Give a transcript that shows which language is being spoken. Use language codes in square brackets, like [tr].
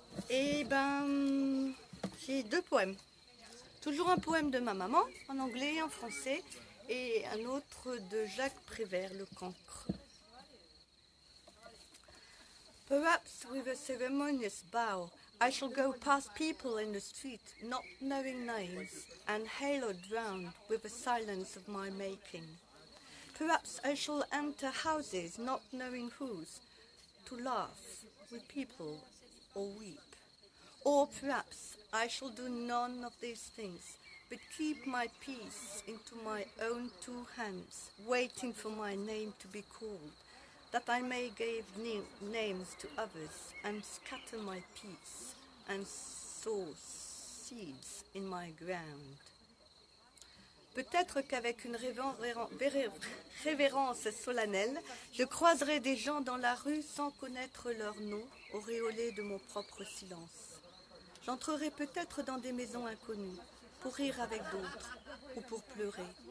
[fr] Eh ben, j'ai deux poèmes. Toujours un poème de ma maman, en anglais et en français, et un autre de Jacques Prévert, le cancre. [en] Perhaps with a ceremonious bow, I shall go past people in the street, not knowing names, and haloed round with the silence of my making. Perhaps I shall enter houses, not knowing whose, to laugh with people or weep. Or perhaps I shall do none of these things, but keep my peace into my own two hands, waiting for my name to be called, that I may give names to others and scatter my peace and sow seeds in my ground. [fr] Peut-être qu'avec une révérence solennelle, je croiserai des gens dans la rue sans connaître leur nom, auréolé de mon propre silence. J'entrerai peut-être dans des maisons inconnues pour rire avec d'autres ou pour pleurer.